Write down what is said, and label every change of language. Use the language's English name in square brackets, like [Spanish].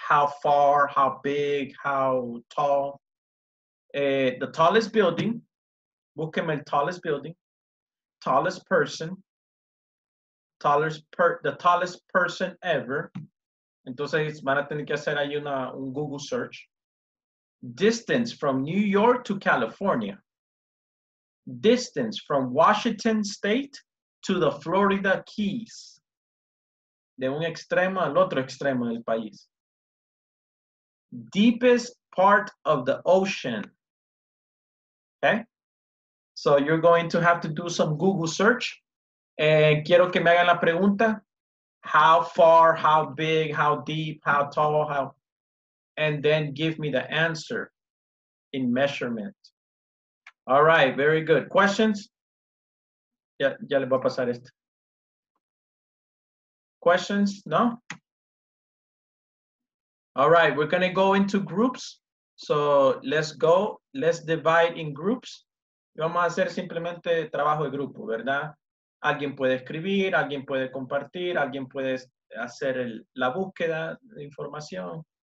[English] How far, how big, how tall. The tallest building, búsqueme el tallest building, tallest person, the tallest person ever. [Spanish] Entonces van a tener que hacer ahí un Google search. [English] Distance from New York to California. Distance from Washington State to the Florida Keys. [Spanish] De un extremo al otro extremo del país. [English] Deepest part of the ocean. Okay, so you're going to have to do some Google search. Quiero que me hagan la pregunta, how far, how big, how deep, how tall, how, and then give me the answer in measurement. All right, very good. Questions? Ya le voy a pasar esto. Questions? No? All right, we're going to go into groups. So let's go, let's divide in groups. [Spanish] Vamos a hacer simplemente trabajo de grupo, ¿verdad? Alguien puede escribir, alguien puede compartir, alguien puede hacer la búsqueda de información.